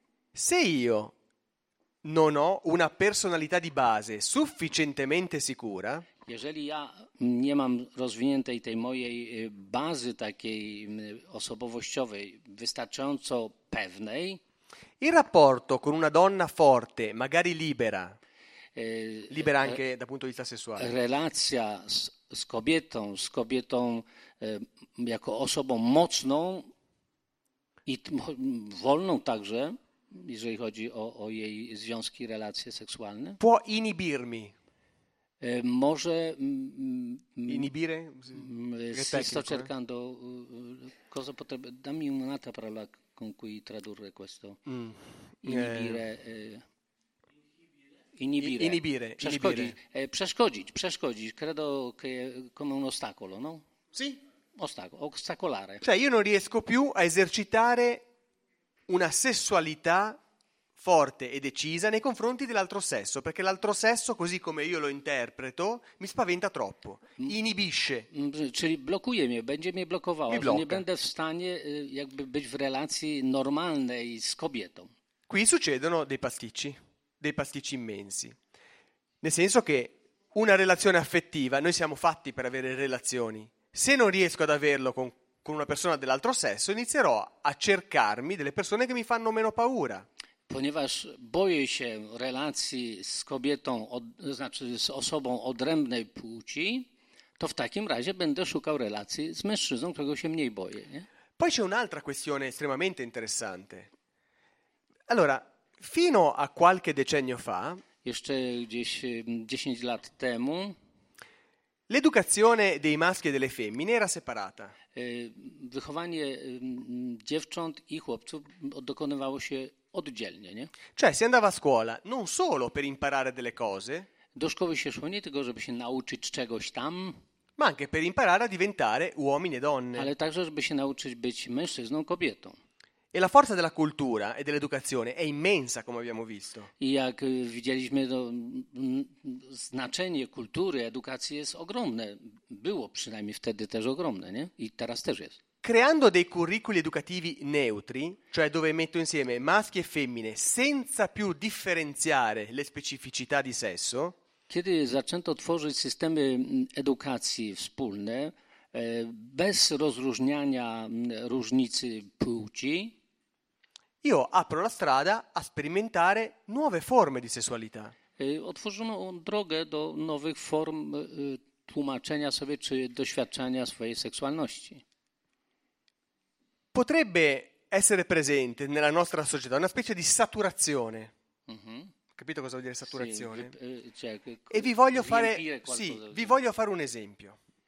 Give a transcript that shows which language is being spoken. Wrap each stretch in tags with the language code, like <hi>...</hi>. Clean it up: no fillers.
<it>Se io non ho una personalità di base sufficientemente sicura,</it> <pl>jeżeli ja nie mam rozwiniętej tej mojej bazy takiej osobowościowej wystarczająco pewnej,</pl> <it>il rapporto con una donna forte, magari libera, libera anche da punto di vista sessuale.</it> <pl>Relacja z kobietą jako osobą mocną i wolną także, jeżeli chodzi o jej związki, relacje seksualne.</pl> <it>Può inibirmi.</it> <pl>Może</pl> <it>inibire? Sto cercando cosa potrebbe, dammi un'altra parola con cui tradurre questo. Inibire. Inibire. Inibire.</it> <pl>Przeszkodzić. Przeszkodzić. Przeszkodzić.</pl> <it>Credo che come un ostacolo, no? Sì. Ostacolare. Cioè io non riesco più a esercitare una sessualità forte e decisa nei confronti dell'altro sesso, perché l'altro sesso, così come io lo interpreto, mi spaventa troppo, inibisce.</it> <pl>Czyli blokuje mnie, będzie mnie blokowało,</pl> <it>mi blocca.</it> <pl>Nie będę w stanie jakby być w relacji normalnej z kobietą.</pl> <it>Qui succedono dei pasticci immensi. Nel senso che una relazione affettiva, noi siamo fatti per avere relazioni, se non riesco ad averlo con una persona dell'altro sesso, inizierò a cercarmi delle persone che mi fanno meno paura.</it> <pl>Ponieważ boję się relacji z kobietą, znaczy z osobą odrębnej płci, to w takim razie będę szukał relacji z mężczyzną, którego się mniej boję. Nie?</pl> <it>Poi c'è un'altra questione estremamente interessante. Allora, fino a qualche decennio fa,</it> <pl>jeszcze gdzieś 10 lat temu,</pl> <it>l'educazione dei maschi e delle femmine era separata.</it> <pl>Wychowanie dziewcząt i chłopców dokonywało się oddzielnie, nie?</pl> <it>Cioè, si andava a scuola non solo per imparare delle cose.</it> <pl>Do szkoły się szło nie tylko, żeby się nauczyć czegoś tam.</pl> <it>Ma anche per imparare a diventare uomini e donne.</it> <pl>Ale także, żeby się nauczyć być mężczyzną, kobietą.</pl> <it>E la forza della cultura e dell'educazione è immensa, come abbiamo visto.</it> <pl>I jak widzieliśmy, to znaczenie kultury, edukacji jest ogromne. Było przynajmniej wtedy też ogromne, nie? I teraz też jest.</pl> <it>creando dei curriculi educativi neutri, cioè dove metto insieme maschi e femmine senza più differenziare le specificità di sesso.</it> <pl>Kiedy zaczęto tworzyć systemy edukacji wspólne bez rozróżniania różnicy płci,</pl> <it>io apro la strada a sperimentare nuove forme di sessualità.</it> <pl>Otworzono drogę do nowych form tłumaczenia sobie czy doświadczania swojej seksualności.</pl> <it>Potrebbe essere presente nella nostra società una specie di saturazione. Capito cosa vuol dire saturazione? Sì, cioè, e vi voglio fare, sì, vi voglio fare un esempio.</it>